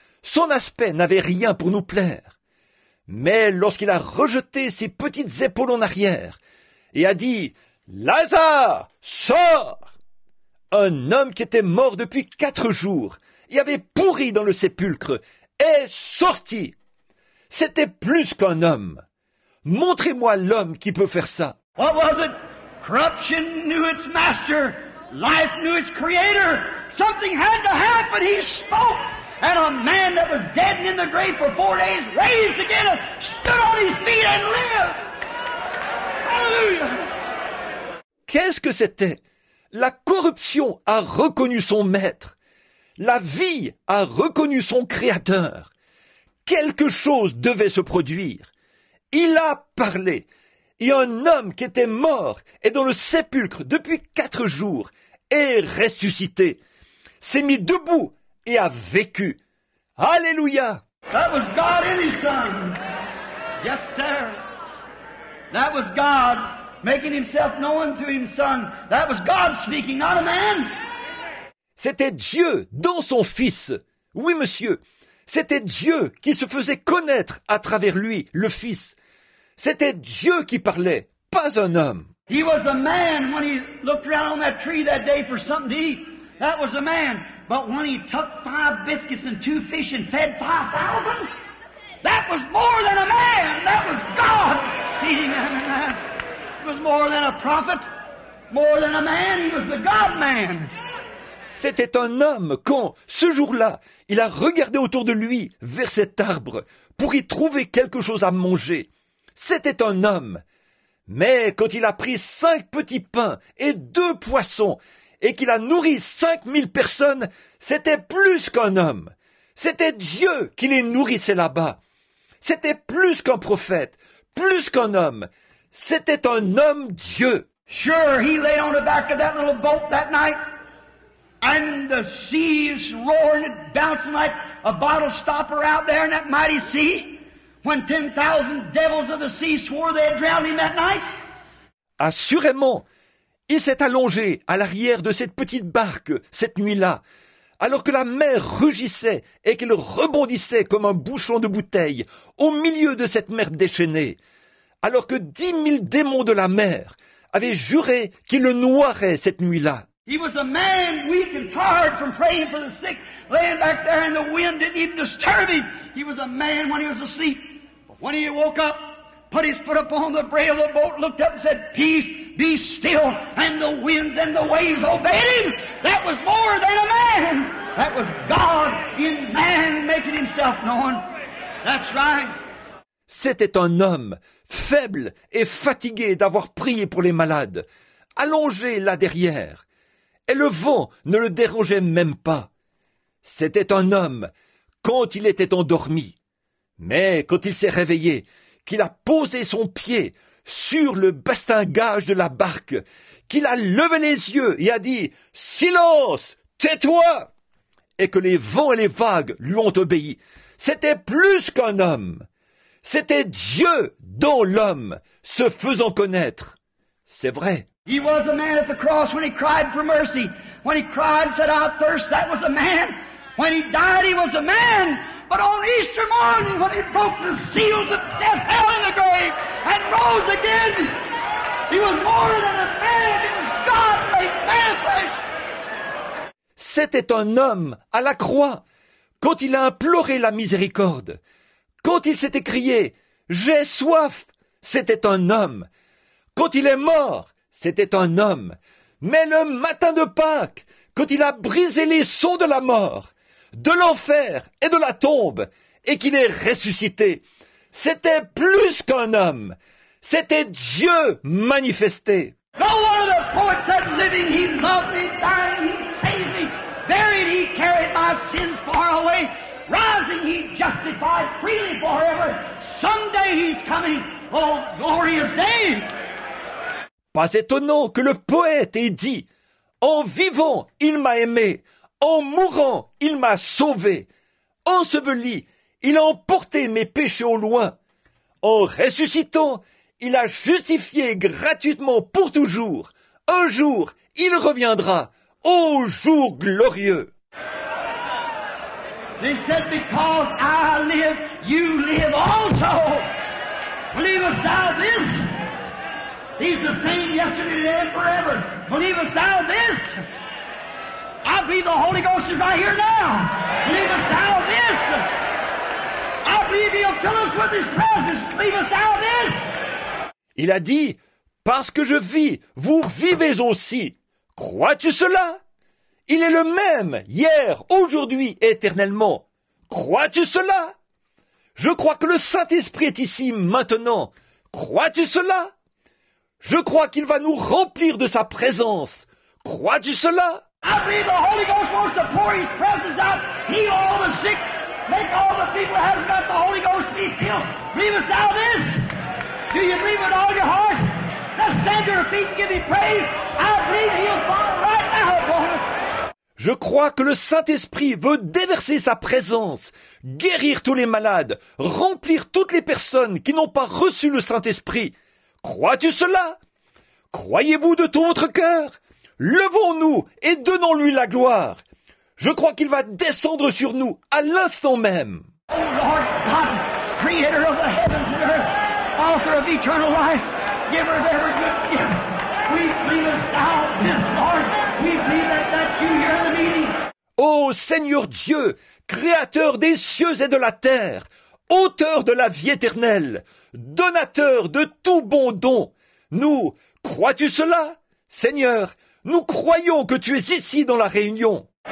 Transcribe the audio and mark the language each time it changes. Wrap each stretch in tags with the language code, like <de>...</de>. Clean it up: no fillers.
<fr>Son aspect n'avait rien pour nous plaire. Mais lorsqu'il a rejeté ses petites épaules en arrière et a dit, Lazare, sors! Un homme qui était mort depuis 4 jours et avait pourri dans le sépulcre est sorti. C'était plus qu'un homme. Montrez-moi l'homme qui peut faire ça.</fr> <en>What was it? Corruption knew its master. Life knew its creator. Something had to happen. He spoke. And a man that was dead and in the grave for 4 days, raised again, stood on his feet and lived. Hallelujah.</en> <fr>Qu'est-ce que c'était? La corruption a reconnu son maître. La vie a reconnu son créateur. Quelque chose devait se produire. Il a parlé. Et un homme qui était mort et dans le sépulcre depuis 4 jours est ressuscité, s'est mis debout et a vécu. Alléluia!</fr> <en>That was God in his son. Yes, sir. That was God making himself known through his son. That was God speaking, not a man.</en> <fr>C'était Dieu dans son fils. Oui, monsieur. C'était Dieu qui se faisait connaître à travers lui, le fils. C'était Dieu qui parlait, pas un homme.</fr> <en>He was a man when he looked around on that tree that day for something to eat. That was a man. But when he took 5 biscuits and 2 fish and fed 5,000, that was more than a man. That was God feeding that man. It was more than a prophet, more than a man. He was the God-man.</en> <fr>C'était un homme quand, ce jour-là, il a regardé autour de lui vers cet arbre pour y trouver quelque chose à manger. C'était un homme. Mais quand il a pris 5 petits pains et 2 poissons et qu'il a nourri 5 000 personnes, c'était plus qu'un homme. C'était Dieu qui les nourrissait là-bas. C'était plus qu'un prophète, plus qu'un homme. C'était un homme Dieu.</fr> <en>Sure, he lay on the back of that little boat that night. And the seas roaring, bouncing like a bottle stopper out there in that mighty sea, when 10,000 devils of the sea swore they had drowned him that night.</en> <fr>Assurément, il s'est allongé à l'arrière de cette petite barque cette nuit-là, alors que la mer rugissait et qu'elle rebondissait comme un bouchon de bouteille au milieu de cette mer déchaînée, alors que 10 000 démons de la mer avaient juré qu'il le noierait cette nuit-là.</fr> <en>He was a man weak and tired from praying for the sick, laying back there and the wind didn't even disturb him. He was a man when he was asleep. But when he woke up, put his foot upon the rail of the boat, looked up and said, "Peace, be still," and the winds and the waves obeyed him. That was more than a man. That was God in man making himself known. That's right.</en> <fr>C'était un homme, faible et fatigué d'avoir prié pour les malades, allongé là derrière. Et le vent ne le dérangeait même pas. C'était un homme quand il était endormi. Mais quand il s'est réveillé, qu'il a posé son pied sur le bastingage de la barque, qu'il a levé les yeux et a dit « Silence, tais-toi !» et que les vents et les vagues lui ont obéi, c'était plus qu'un homme. C'était Dieu dans l'homme, se faisant connaître. C'est vrai.</fr> <en>He was a man at the cross when he cried for mercy. When he cried and said, "I thirst," that was a man. When he died, he was a man. But on Easter morning, when he broke the seals of death, hell, and the grave, and rose again, he was more than a man. He was God made manifest.</en> <fr>C'était un homme à la croix quand il a imploré la miséricorde. Quand il s'était crié, "J'ai soif," c'était un homme. Quand il est mort, c'était un homme. Mais le matin de Pâques, quand il a brisé les sceaux de la mort, de l'enfer et de la tombe, et qu'il est ressuscité, c'était plus qu'un homme. C'était Dieu manifesté.</fr> <en>No one of the poets said, "Living, he loved me, dying, he saved me, buried, he carried my sins far away, rising, he justified freely forever. Someday he's coming, oh glorious day."</en> <fr>Pas étonnant que le poète ait dit « En vivant, il m'a aimé. En mourant, il m'a sauvé. Enseveli, il a emporté mes péchés au loin. En ressuscitant, il a justifié gratuitement pour toujours. Un jour, il reviendra. Ô jour glorieux !»</fr> <en>They said, "Because I live, you live also. Believest thou this? He's the same yesterday, today, and forever. Believest thou this? I believe the Holy Ghost is right here now. Believest thou this? I believe he'll fill us with his presence. Believest thou this?"</en> <fr>Il a dit, « Parce que je vis, vous vivez aussi. Crois-tu cela? Il est le même, hier, aujourd'hui, éternellement. Crois-tu cela? Je crois que le Saint-Esprit est ici, maintenant. Crois-tu cela? Je crois qu'il va nous remplir de sa présence. Crois-tu cela?</fr> <en>I believe the Holy Ghost wants to pour his presence out, heal all the sick, make all the people who hasn't got the Holy Ghost be healed. Believest thou this? Do you believe with all your heart? Let's stand to your feet and give me praise. I believe he'll fall right now, boys.</en> <fr>Je crois que le Saint-Esprit veut déverser sa présence, guérir tous les malades, remplir toutes les personnes qui n'ont pas reçu le Saint-Esprit. Crois-tu cela? Croyez-vous de tout votre cœur? Levons-nous et donnons-lui la gloire. Je crois qu'il va descendre sur nous à l'instant même.</fr> <en>Oh Lord God, creator of the heavens and earth, author of eternal life, giver of every good gift, we believe thou this Lord, we believe that that's you here in the meeting.</en> <fr>Oh Seigneur Dieu, créateur des cieux et de la terre, auteur de la vie éternelle, donateur de tout bon don, nous, crois-tu cela, Seigneur? Nous croyons que tu es ici dans la réunion.</fr>